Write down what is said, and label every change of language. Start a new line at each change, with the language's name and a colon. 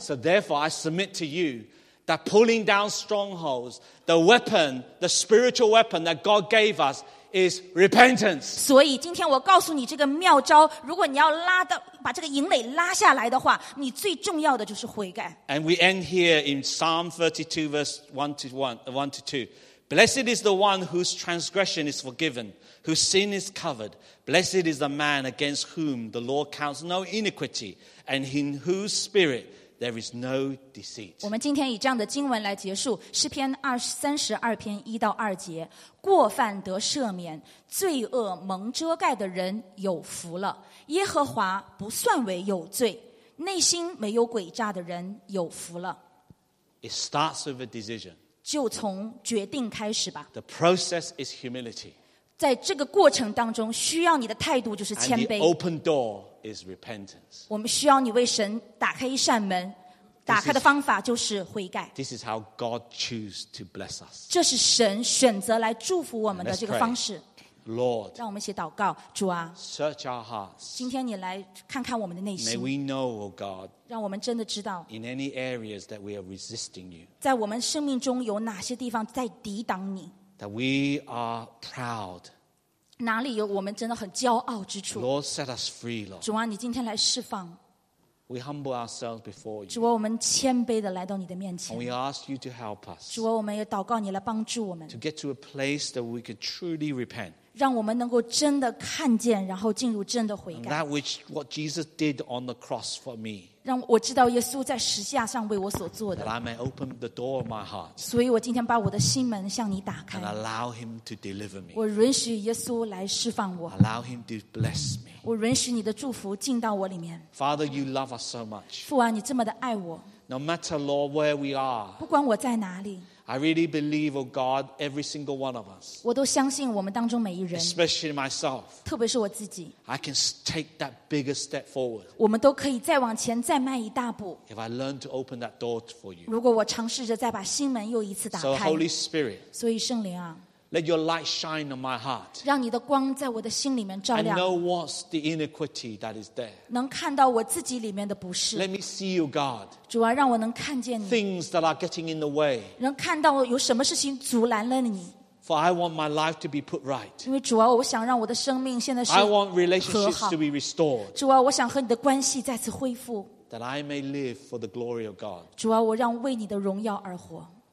English: So therefore, I submit to you. That pulling down strongholds, the weapon, the spiritual weapon that God gave us is repentance.
Chinese: 所以今天我告诉你这个妙招，如果你要拉到把这个营垒拉下来的话，你最重要的就是悔改。
English: And we end here in Psalm 32, verse 1 to 2. Blessed is the one whose transgression is forgiven, whose sin is covered. Blessed is the man against whom the Lord counts no iniquity, and in whose spirit. There is no deceit.
Chinese: 我们今天以这样的经文来结束诗篇32篇一到二节，过犯得赦免，罪恶蒙遮盖的人有福了。耶和华不算为有罪，内心没有诡诈的人有福了。
English: It starts with a decision.
Chinese: 就从决定开始吧。
English: The process is humility.
Chinese: 在这个过程当中，需要你的态度就是谦卑。
English: And the open door. Is repentance.
Chinese: 我们需要你为神打开一扇门，打开的方法就是悔改。
English: This is how God chooses to bless us.
Chinese: 这是神选择来祝福我们的这个方式。
English: Lord,
Chinese: 让我们一起祷告，主啊
English: ，Search our hearts.
Chinese: 今天你来看看我们的内心。
English: May we know, O God,
Chinese: 让我们真的知道
English: ，In any areas that we are resisting you,
Chinese: 在我们生命中有哪些地方在抵挡你
English: ？That we are proud.
Chinese: 哪里有我们真的很骄傲之处
English: Lord, set us free, Lord.
Chinese: 主啊你今天来释放
English: We humble ourselves before you.
Chinese: 主啊我们谦卑地来到你的面前
English: And we ask you to help us.
Chinese: 主啊我们也祷告你来帮助我们
English: To get to a place that we could truly repent.
Chinese: 让我们能够真的看见然后进入真的悔改
English: And that which what Jesus did on the cross for me.
Chinese: 让我知道耶稣在十字架上为我所做的
English: That I may open the door of my heart.
Chinese: 所以我今天把我的心门向你打开
English: And allow him to deliver me.
Chinese: 我允许耶稣来释放我
English: Allow him to bless me.
Chinese: 我允许你的祝福进到我里面
English: Father, you love us so much.
Chinese: 父啊你这么的爱我
English: No matter, Lord, where we are.
Chinese: 不管我在哪里
English: I really believe, oh God, every single one of us.
Chinese: 我都相信我们当中每一人
English: Especially myself.
Chinese: 特别是我自己
English: I can take that bigger step forward.
Chinese: 我们都可以再往前再迈一大步
English: If I learn to open that door for you.
Chinese: 如果我尝试着再把心门又一次打开
English: So Holy Spirit.
Chinese: 所以圣灵啊
English: Let your light shine on my heart.
Chinese: 让你的光在我的心里面照亮
English: And know what's the iniquity that is there.
Chinese: 能看到我自己里面的不是
English: Let me see you, God.
Chinese: 主啊，让我能看见你。
English: Things that are getting in the way.
Chinese: 能看到有什么事情阻拦了你。
English: For I want my life to be put right.
Chinese: 因为主啊，我想让我的生命现在是和好。
English: I want relationships to be restored.
Chinese: 主啊，我想和你的关系再次恢复。
English: That I may live for the glory of God.
Chinese: 主啊，我让为你的荣耀而活。